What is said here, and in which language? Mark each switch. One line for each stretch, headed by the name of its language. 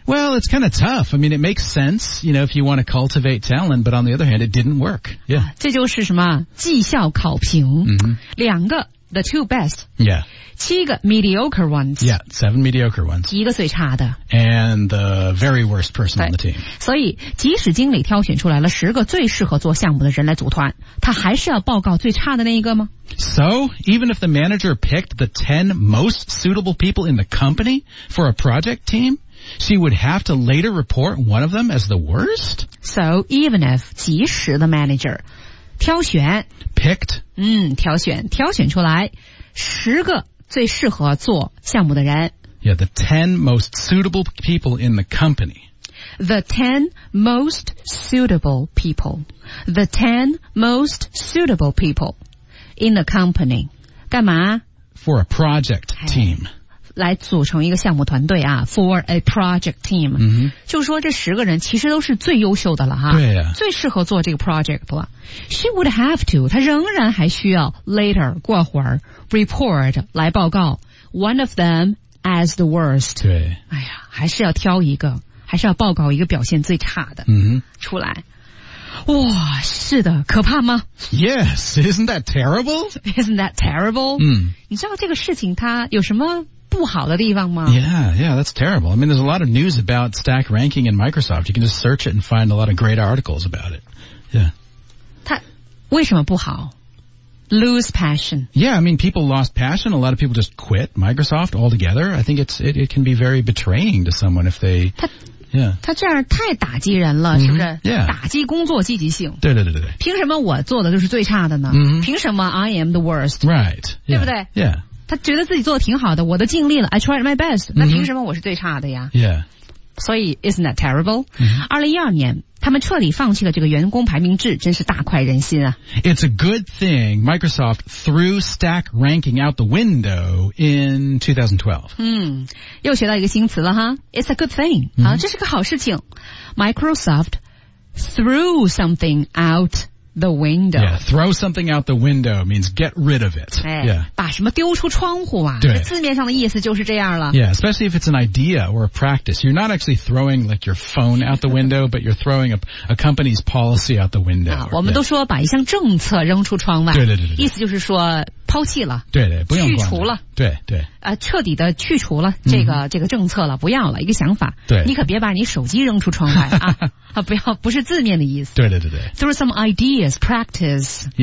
English: Well it's kind of tough I mean it makes sense You know if you want to cultivate talent But on the other hand it didn't work Yeah
Chinese: 这就是什么绩效考评、 mm-hmm. 两个
English: The two best Yeah
Chinese: 七个
English: mediocre ones Yeah 7 mediocre ones
Chinese: 一个最差的
English: And the very worst person on the team
Chinese: 所以即使经理挑选出来了十个最适合做项目的人来组团他还是要报告最差的那一个吗
English: So even if the manager picked the 10 most suitable people in the company for a project team She would have to later report one of them as the worst So even if
Chinese: 即使
English: the manager
Chinese: 挑选
English: Picked
Chinese: 嗯挑选出来十个最适合做项目的人
English: Yeah, the 10 most suitable people in the company The 10 most suitable people The 10 most suitable people in the company
Chinese: 干嘛
English: For a project team、
Chinese: 哎、来组成一个项目团队啊
English: For a project team、 mm-hmm.
Chinese: 就说这十个人其实都是最优秀的了哈对、啊、最适合做这个 project 了
English: She would have to
Chinese: 她仍然还需要 later 过会儿Report 来报告
English: One of them as the worst
Chinese: 对哎呀还是要挑一个还是要报告一个表现最差的出来、嗯、哇是的可怕吗
English: Yes Isn't that terrible Isn't that terrible、嗯、
Chinese: 你知道这个事情它有什么不好的地方吗
English: Yeah That's terrible I mean there's a lot of news about stack ranking in Microsoft You can just search it and find a lot of great articles about it Yeah
Chinese: 它为什么不好？
English: Lose passion. Yeah, I mean, people lost passion. A lot of people just quit Microsoft altogether. I think it can be very betraying to someone if they...
Chinese: 他这样太打击人了、 mm-hmm. 是不是、
English: yeah.
Chinese: 打击工作积极性。对对对对。凭什么我做的就是最差的呢、 mm-hmm. 凭什么
English: I am the worst? Right.
Chinese: 对不对
English: yeah. yeah.
Chinese: 他觉得自己做的挺好的我都尽力了
English: I tried my best.、 Mm-hmm.
Chinese: 那凭什么我是最差的呀
English: Yeah.
Chinese: 所以
English: isn't that terrible?、 Mm-hmm.
Chinese: 2012年他们彻底放弃了这个员工排名制真是大快人心啊。
English: It's a good thing Microsoft threw stack ranking out the window in 2012.
Chinese: 嗯又学到一个新词了哈
English: It's a good thing.、 Mm-hmm.
Chinese: 这是个好事情。
English: Microsoft threw something out the window. Yeah, throw something out the window means get rid of it.、
Chinese: 哎
English: yeah.
Chinese: 把什么丢出窗户啊对字面上的意思就是这样了。
English: Yeah, especially if it's an idea or a practice. You're not actually throwing like your phone out the window, but you're throwing a company's policy out the window.、
Chinese: 我们都说把一项政策扔出窗外。对对 对, 对, 对。意思就是说抛弃了。对对不用管。去除了。对对。彻底的去除了这个、 mm-hmm. 这个政策了不要了一个想法。对。你可别把你手机扔出窗外啊。不要不是字面的意思。对对对对。
English: Through some ideas, practice,